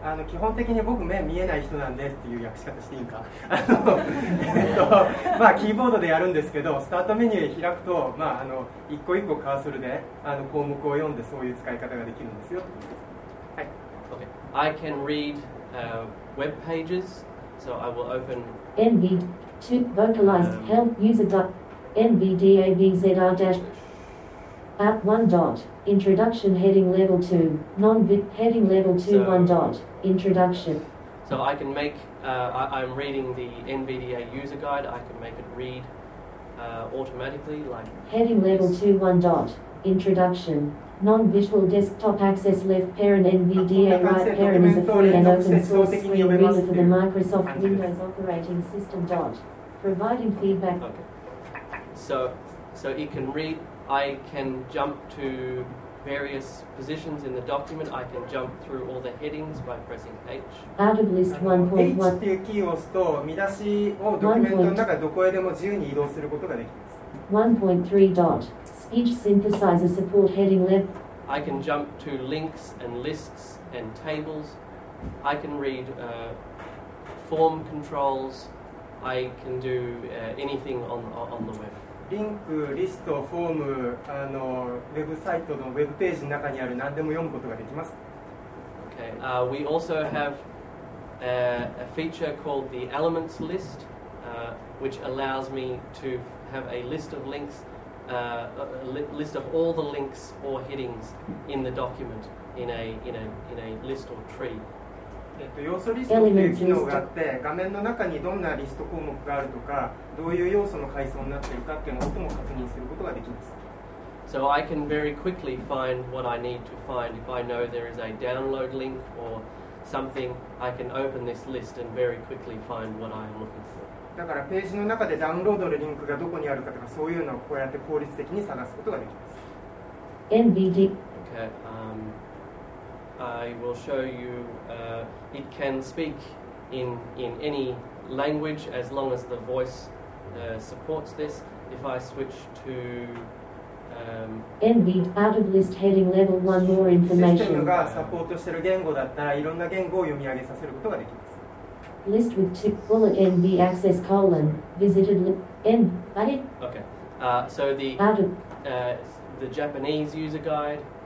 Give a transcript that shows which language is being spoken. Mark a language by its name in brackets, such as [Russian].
[Japanese] 基本的に僕目見えない人なんでっていう訳し方していいか。まあキーボードでやるんですけど、スタートメニュー開くと、まあ一個一個カーソルで項目を読んでそういう使い方ができるんですよ。はい。 [English] Okay. I can read web pages, so I will open. NV to vocalized help user dot NVDAVZR dash app 1 dot introduction heading level 2 non vid heading level 2 1 dot introduction. So I can make, I'm reading the NVDA user guide. I can make it read automatically, like heading level 2 1 dot introduction. Non visual desktop access left parent NVDA right parent is a free and open source screen reader for the Microsoft Windows operating system. Dot providing feedback. Okay. So it can read. I can jump to. Various positions in the document. I can jump through all the headings by pressing H. Out of list 1.1. [Japanese] H っていうキーを押すと見出しをドキュメントの中どこへでも自由に移動することができます。 [English] 1.3 dot. Speech synthesizer support heading left. I can jump to links and lists and tables. I can read form controls. I can do anything on the web. [Japanese] リンク、リスト、フォーム、ウェブサイトのウェブページの中にある何でも読むことができます。 [English] Okay. We also have a feature called the Elements List, which allows me to have a list of links, list of all the links or headings in the document in a list or tree. [Japanese] 要素リストっていう機能があって、画面の中にどんなリスト項目があるとか、どういう要素の階層になっているかっていうのを最も確認することができます。 [English] So I can very quickly find what I need to find. If I know there is a download link or something, I can open this list and very quickly find what I am looking for. [Japanese] だからページの中でダウンロードのリンクがどこにあるかとか、そういうのをこうやって効率的に探すことができます。 [English] NVD. Okay. I will show you. It can speak in any language as long as the voice supports this. If I switch to NV out of list heading level 1 more information. [Japanese] システムがサポートしている言語だったら、いろんな言語を読み上げさせることができます。 [English] List with tick bullet NV access colon visited N. Got it? Okay. So the out of the Japanese user guide.